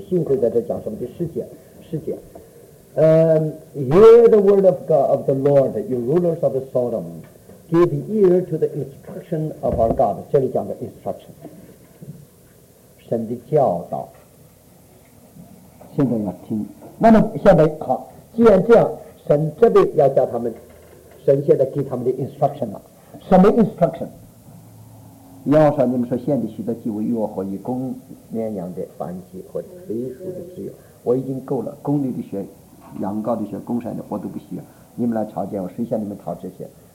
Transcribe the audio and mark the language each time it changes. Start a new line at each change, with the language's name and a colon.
Chinese: 训诲在这讲什么？就世界，世界。
English: Hear the word of God of the Lord, you rulers of Sodom. Give ear to the instruction of our God.
Chinese: 这里讲的 instruction， 神的教导。现在要听。那么现在好，既然这样，神这边要教他们，神现在给他们的 instruction 了。什么 instruction？要说你们说献的许多祭为与我和以公绵羊的燔祭和肥熟的脂油，我已经够了，公牛的血、羊羔的血、公山的我都不需要，你们来朝见我，谁向你们讨这些？